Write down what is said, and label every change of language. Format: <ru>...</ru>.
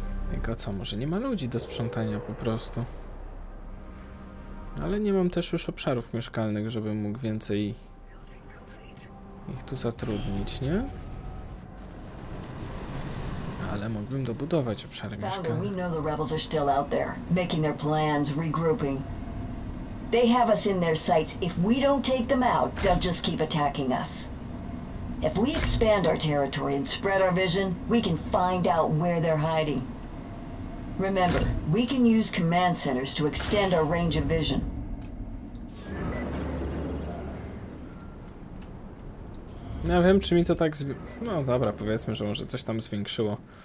<pl>Tylko co, może nie ma ludzi do sprzątania po prostu. Ale nie mam też już obszarów mieszkalnych, żebym mógł więcej ich tu zatrudnić, nie? Ale mógłbym dobudować obszary mieszkalne.</pl> <en>We know the rebels are still out there, making their plans, regrouping. They have us in their sights. If we don't take them out, they'll just keep attacking us. If we expand our territory and spread our vision, we can find out where they're hiding. Remember, we can use command centers to extend our range of vision.</en> <pl>Nie wiem, czy mi to tak no dobra, powiedzmy, że może coś tam zwiększyło.</pl>